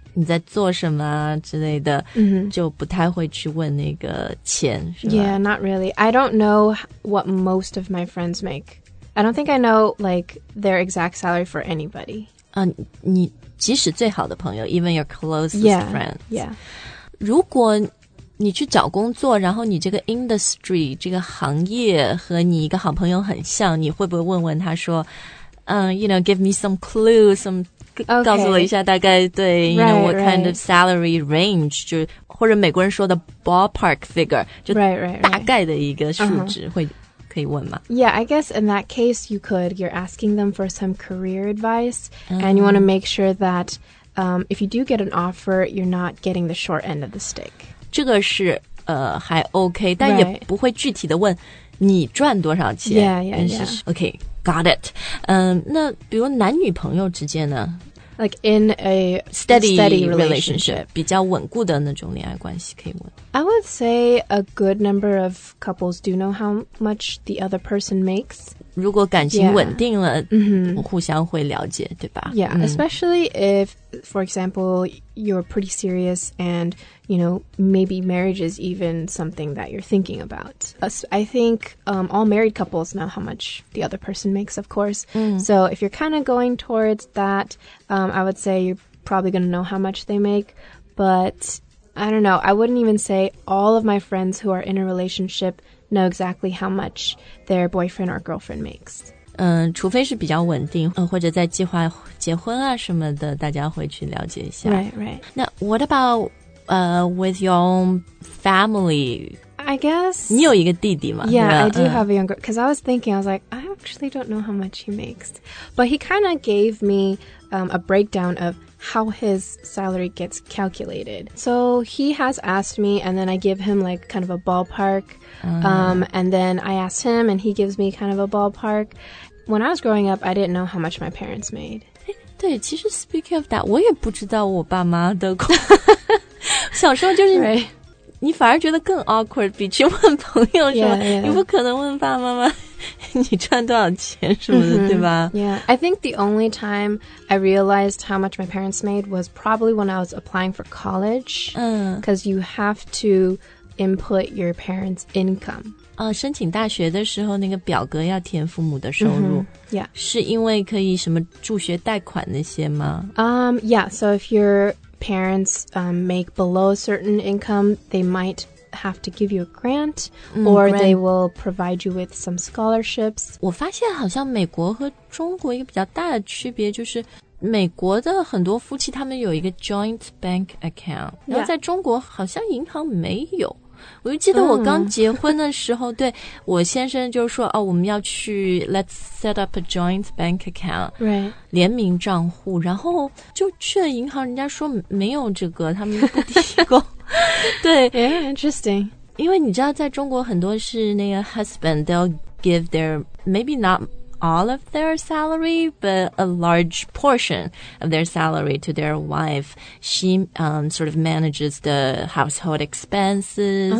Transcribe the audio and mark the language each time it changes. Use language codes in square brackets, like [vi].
[zh] 你在做什么之类的、就不太会去问那个钱是吧 [en] Yeah, not really. I don't know what most of my friends make. I don't think I know like their exact salary for anybody. [zh] 你即使最好的朋友 [en] even your closest friends yeah. [zh] 如果你去找工作然后你这个 industry 这个行业和你一个好朋友很像你会不会问问他说、 [en] you know, give me some clue some、 okay. [zh] 告诉我一下大概对 [en] right, you know, what right. kind of salary range [zh] 就或者美国人说的 ballpark figure 就大概的一个数值 会可以问吗? [en] Yeah, I guess in that case, you could. You're asking them for some career advice, and you want to make sure that if you do get an offer, you're not getting the short end of the stick. [zh] 这个是还 OK, 但也不会具体的问你赚多少钱。 [en] Yeah. Okay, got it. [zh] 那比如男女朋友之间呢? [en] Like in a steady relationship. [zh] 比较稳固的那种恋爱关系可以问。 [en] I would say a good number of couples do know how much the other person makes. [zh] 如果感情稳定了、 [en] yeah. [zh] 互相会了解对吧 [en] Yeah,、especially if, for example, you're pretty serious and, you know, maybe marriage is even something that you're thinking about. I think、all married couples know how much the other person makes, of course.、So if you're kind of going towards that,、I would say you're probably going to know how much they make, but... I don't know. I wouldn't even say all of my friends who are in a relationship know exactly how much their boyfriend or girlfriend makes. [zh] 除非是比较稳定，或者在计划结婚啊什么的，大家会去了解一下。 [en] Right. Now, what about with your own family? I guess. [zh] 你有一个弟弟吗 [en] Yeah, I do have a younger. Because I was thinking, I was like, I actually don't know how much he makes. But he kind of gave me a breakdown of. How his salary gets calculated. So he has asked me, and then I give him like kind of a ballpark. And then I ask him, and he gives me kind of a ballpark. When I was growing up, I didn't know how much my parents made. [zh] 对，其实 [en] speaking of that, [zh] 我也不知道我爸妈的。小时候就是 你反而觉得更 awkward 比去问朋友什么，你不可能问爸妈妈你赚多少钱什么的、mm-hmm. 对吧 [en] Yeah, I think the only time I realized how much my parents made was probably when I was applying for college because、you have to input your parents' income、 [zh] 申请大学的时候那个表格要填父母的收入、 [en] mm-hmm. Yeah, [zh] 是因为可以什么助学贷款那些吗、 [en] Yeah, so if your parents、make below a certain income, they mightHave to give you a grant, or they will provide you with some scholarships. [zh] 我发现好像美国和中国一个比较大的区别就是美国的很多夫妻他们有一个 joint bank account, 然后在中国好像银行没有。我就记得我刚结婚的时候、对我先生就说哦，我们要去 [en] let's set up a joint bank account、 right. [zh] 联名账户然后就去了银行人家说没有这个他们不提供对 [en] yeah, interesting [zh] 因为你知道在中国很多是那个 [en] husband they'll give their maybe not all of their salary but a large portion of their salary to their wife she、sort of manages the household expenses、